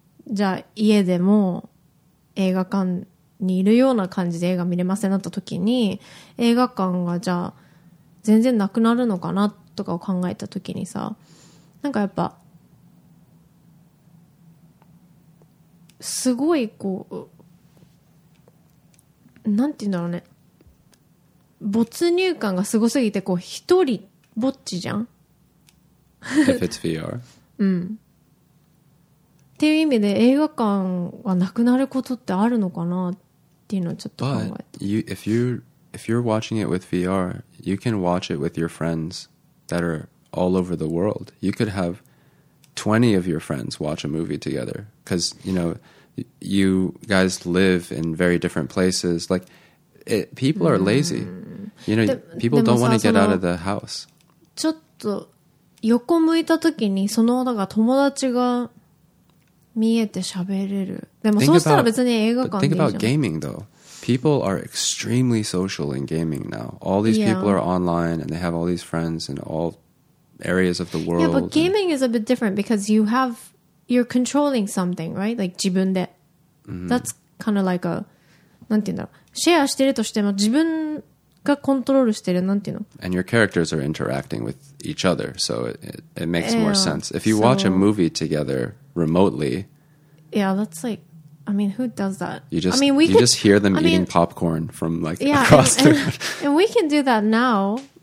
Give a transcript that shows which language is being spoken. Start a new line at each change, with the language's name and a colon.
Japanese: じゃあ家でも映画館にいるような感じで映画見れませんなった時に、映画館がじゃあ全然なくなるのかなとかを考えた時にさ、なんかやっぱすごいこう、なんて言うんだろうね、没入感がすごすぎて、こう一人ぼっちじゃん
English: If it's VR.
Japanese: っていう意味で映画館がなくなることってあるのかなって
English: But if you're watching it with VR, you can watch it with your friends that are all over the world. You could have 20 of your friends watch a movie together because, you know, you guys live in very different places. Like, people are lazy. You know, people don't want to get out of the house.
Japanese: ちょっと横向いた時にそのなんか友達が見えて喋れる。でもそうしたら別に映画館でいいじゃん。
English: Think about gaming though. People are extremely social in gaming now. All these people are online and they have all these friends in all areas of the world. Yeah, but gaming is a bit different because you're controlling something, right? Like
Japanese: 自分で。
English: That's kind of like a,
Japanese: なんていうんだろう。シェアしてるとしても自分がコントロールしてる、なんていうの。
English: And your characters are interacting with each other, so it makes more sense. If you watch a movie together remotely. Yeah, that's like, I mean, who does that? You just hear them eating popcorn from like across the And we can do that now.